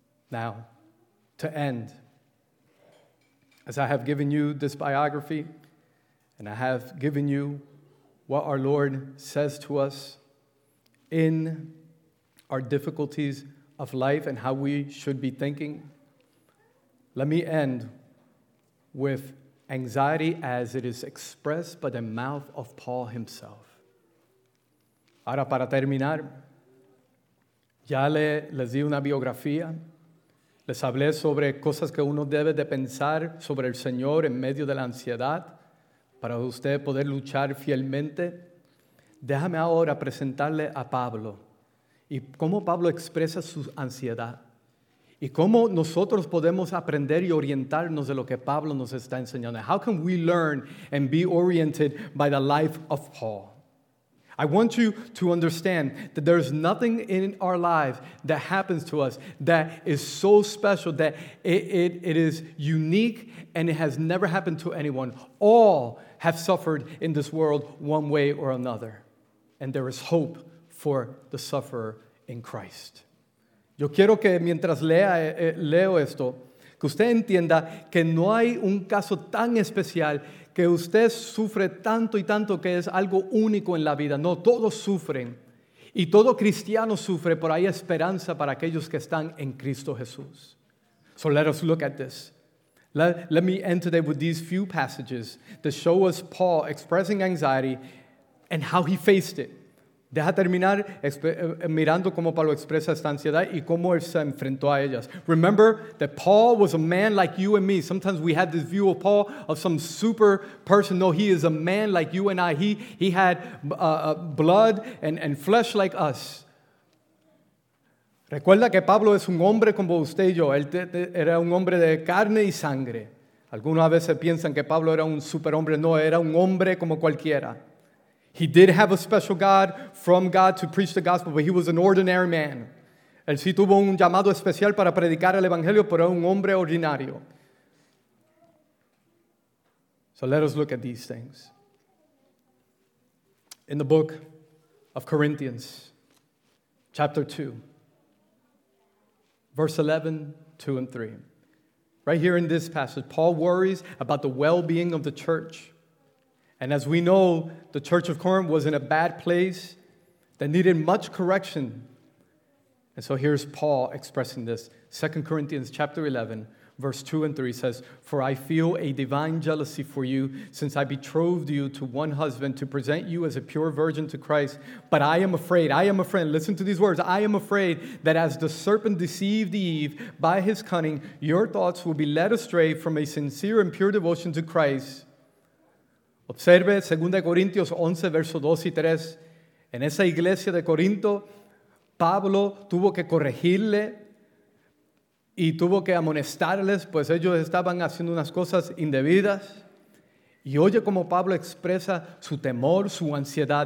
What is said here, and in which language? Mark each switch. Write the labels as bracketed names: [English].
[English] Now, to end, as I have given you this biography, and I have given you what our Lord says to us in our difficulties of life and how we should be thinking, let me end with anxiety as it is expressed by the mouth of Paul himself. [Spanish] Ahora, para terminar, ya les di una biografía. Les hablé sobre cosas que uno debe de pensar sobre el Señor en medio de la ansiedad para usted poder luchar fielmente. Déjame ahora presentarle a Pablo y cómo Pablo expresa su ansiedad y cómo nosotros podemos aprender y orientarnos de lo que Pablo nos está enseñando. [English] How can we learn and be oriented by the life of Paul? I want you to understand that there's nothing in our lives that happens to us that is so special, that it is unique, and it has never happened to anyone. All have suffered in this world one way or another. And there is hope for the sufferer in Christ. [Spanish] Yo quiero que mientras leo esto, que usted entienda que no hay un caso tan especial que usted sufre tanto y tanto que es algo único en la vida. No, todos sufren. Y todo cristiano sufre, pero hay esperanza para aquellos que están en Cristo Jesús. [English] So let us look at this. Let me end today with these few passages that show us Paul expressing anxiety and how he faced it. [Spanish] Deja terminar mirando cómo Pablo expresa esta ansiedad y cómo él se enfrentó a ellas. [English] Remember that Paul was a man like you and me. Sometimes we have this view of Paul of some super person. No, he is a man like you and I. He had blood and flesh like us. [Spanish] Recuerda que Pablo es un hombre como usted y yo. Él era un hombre de carne y sangre. Algunos a veces piensan que Pablo era un superhombre. No, era un hombre como cualquiera. [English] He did have a special God from God to preach the gospel, but he was an ordinary man. [Spanish] Él sí tuvo un llamado especial para predicar el evangelio, pero era un hombre ordinario. [English] So let us look at these things. In the book of Corinthians, chapter 2, verse 11, 2 and 3. Right here in this passage, Paul worries about the well-being of the church. And as we know, the church of Corinth was in a bad place that needed much correction. And so here's Paul expressing this. 2 Corinthians chapter 11, verse 2 and 3 says, "For I feel a divine jealousy for you, since I betrothed you to one husband to present you as a pure virgin to Christ. But I am afraid, listen to these words, I am afraid that as the serpent deceived Eve by his cunning, your thoughts will be led astray from a sincere and pure devotion to Christ." [Spanish] Observe 2 Corintios 11, versos 2 y 3. En esa iglesia de Corinto, Pablo tuvo que corregirle y tuvo que amonestarles, pues ellos estaban haciendo unas cosas indebidas. Y oye cómo Pablo expresa su temor, su ansiedad.